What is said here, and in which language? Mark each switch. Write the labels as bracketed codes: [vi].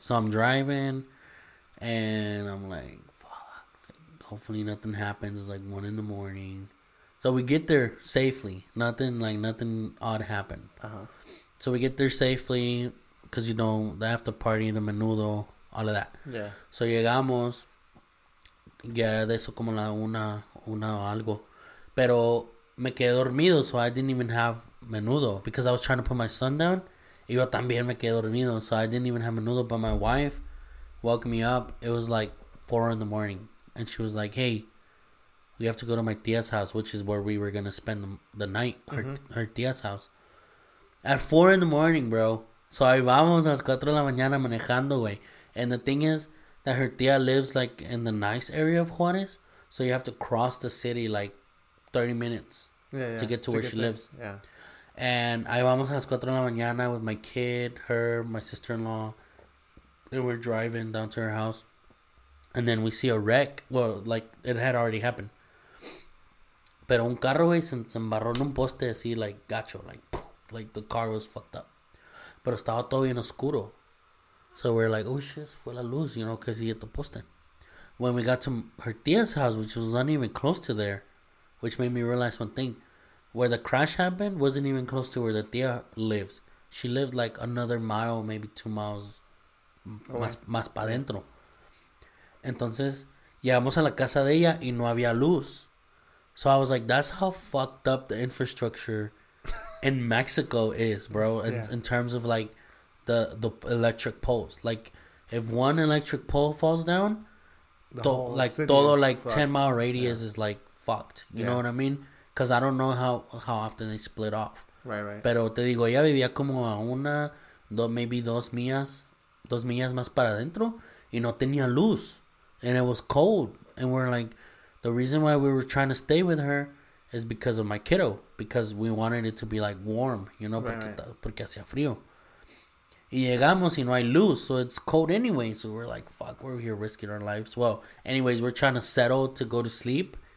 [en] So I'm driving and I'm like, hopefully nothing happens. It's like 1 in the morning. So we get there safely. Nothing odd happened. Uh-huh. So we get there safely because, you know, the after party, the menudo, all of that. Yeah. [es] So llegamos. Ya de eso como la una o algo. Pero me quedé dormido, [en] so I didn't even have menudo because I was trying to put my son down. [es] Y yo también me quedé dormido, [en] so I didn't even have menudo. But my wife woke me up. It was like 4 in the morning. And she was like, hey, we have to go to my tia's house, which is where we were going to spend the night, her tia's house. At 4 in the morning, bro. [es] So, ahí vamos a las 4 de la mañana manejando, güey. [en] And the thing is that her tia lives, like, in the nice area of Juarez. So, you have to cross the city, like, 30 minutes to get to where she lives. Yeah. And [es] ahí vamos a las 4 de la mañana [en] with my kid, her, my sister-in-law. And we're driving down to her house. And then we see a wreck. Well, like, it had already happened. [es] Pero un carro, güey, se embarró en un poste así, [en] like, [es] gacho. [en] Like, poof, like the car was fucked up. [es] Pero estaba todo bien oscuro. [en] So we're like, oh, shit, [es] se fue la luz, [en] you know, because he hit the poste. When we got to her tia's house, which was not even close to there, which made me realize one thing. Where the crash happened wasn't even close to where the tia lives. She lived, like, another mile, maybe 2 miles [es] más pa' dentro. Entonces, llegamos a la casa de ella y no había luz. [en] So I was like, that's how fucked up the infrastructure in Mexico is, bro. Yeah. In terms of, like, the electric poles. Like, if one electric pole falls down, the whole 10-mile radius is, like, fucked. You know what I mean? Because I don't know how often they split off. Right. [es] Pero te digo, ella vivía como a una, [en] maybe [es] 2 millas más para adentro y no tenía luz. [en] And it was cold. And we're like, the reason why we were trying to stay with her is because of my kiddo. Because we wanted it to be like warm, you know, [es] porque hacía frío. Y llegamos y no hay luz. [en] So it's cold anyway. So we're like, fuck, we're here risking our lives. Well, anyways, we're trying to settle to go to sleep.